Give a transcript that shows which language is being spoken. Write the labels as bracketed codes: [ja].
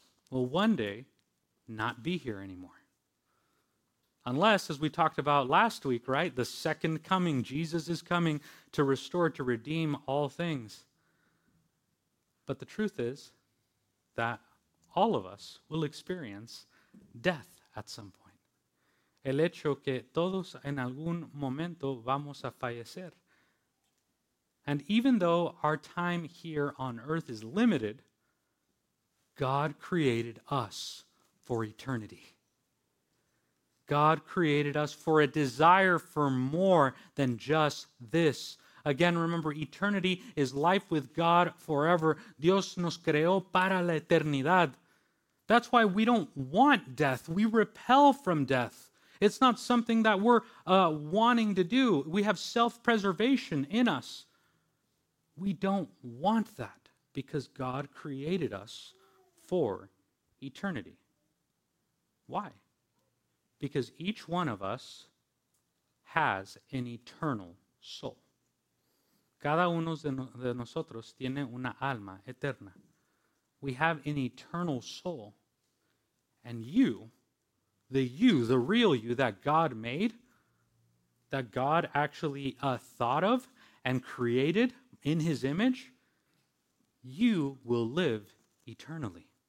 [en] Will one day not be here anymore. Unless, as we talked about last week, right, the second coming, Jesus is coming to restore, to redeem all things. But the truth is that all of us will experience death at some point. [es] El hecho que todos en algún momento vamos a fallecer. [en] And even though our time here on earth is limited, God created us for eternity. God created us for a desire for more than just this. Again, remember, eternity is life with God forever. [es] Dios nos creó para la eternidad. [en] That's why we don't want death. We repel from death. It's not something that we're wanting to do. We have self-preservation in us. We don't want that because God created us for eternity. Why? Because each one of us has an eternal soul. [es] Cada uno de nosotros tiene una alma eterna. [en] We have an eternal soul. And you, the real you that God made, that God actually thought of and created in his image, you will live eternally.